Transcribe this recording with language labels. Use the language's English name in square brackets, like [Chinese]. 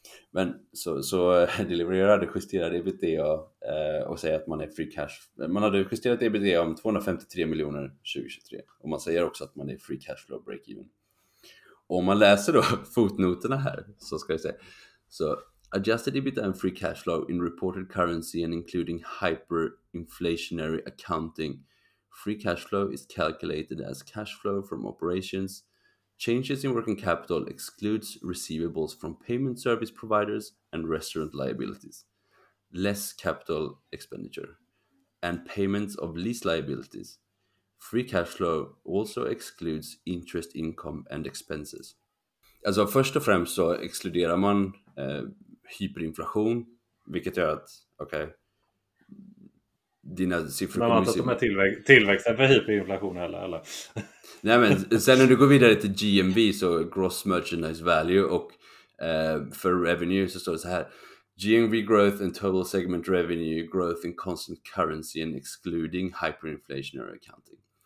[Swedish] Men så delivererade justerade EBITDA och säger att man är free cash. Man hade justerat EBITDA om 253 miljoner 2023. Och man säger också att man är free cash flow break even. Och om man läser då fotnoterna här så ska jag säga. [English] Så adjusted EBITDA and free cash flow in reported currency and including hyperinflationary accounting. Free cash flow is calculated as cash flow from operations. Changes in working capital excludes receivables from payment service providers and restaurant liabilities, less capital expenditure, and payments of lease liabilities. Free cash flow also excludes interest income and expenses. [Swedish] Alltså först och främst så exkluderar man hyperinflation, vilket gör att, okej, dina siffror kommer att se... Man har inte att de är tillväxten för hyperinflation eller... Nej, men sen när du går vidare till GMV, så gross merchandise value, och för revenue så står det så här: [English] GMV growth and total segment revenue growth in constant currency and excluding hyperinflationary accounting.